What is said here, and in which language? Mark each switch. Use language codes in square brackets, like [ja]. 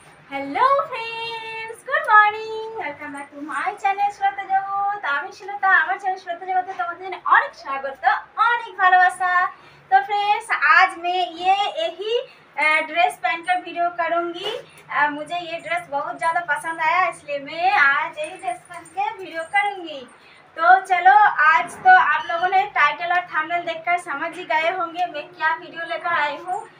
[en] Hello friends, good morning, welcome back to my channel श्रोता जगत। [bn] আমি শিলতা, আমার চ্যানেল শ্রোতা জগতে তোমাদের অনেক স্বাগত, অনেক ভালোবাসা। [hi] তো ফ্রেন্ডস, আজ मैं ये यही ड्रेस पहनकर वीडियो करूंगी। मुझे ये ड्रेस बहुत ज्यादा पसंद आया, इसलिए मैं आज यही ड्रेस पहनकर वीडियो करूंगी। तो चलो, आज तो आप लोगों ने टाइटल और थंबनेल देखकर समझ ही गए होंगे मैं क्या वीडियो लेकर आई हूँ।